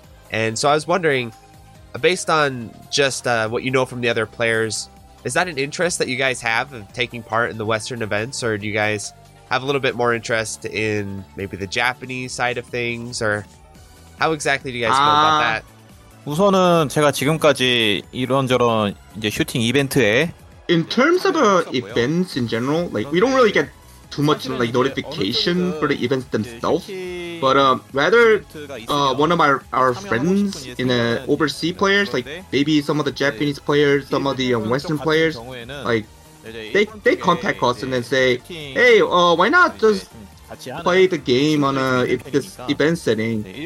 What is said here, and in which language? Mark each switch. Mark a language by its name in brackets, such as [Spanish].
[English] And so I was wondering, based on just what you know from the other players, is that an interest that you guys have of taking part in the Western events? Or do you guys have a little bit more interest in maybe the Japanese side of things? Or how exactly do you guys feel about that? [Korean] 우선은 제가 지금까지 이런저런 이제 슈팅 이벤트에 [English] In terms of events in general, like we don't really get too much like notification for the events themselves, but rather one of our friends in the overseas players, like maybe some of the Japanese players, some of the Western players, like they contact us and then say, hey, why not just play the game on this event setting?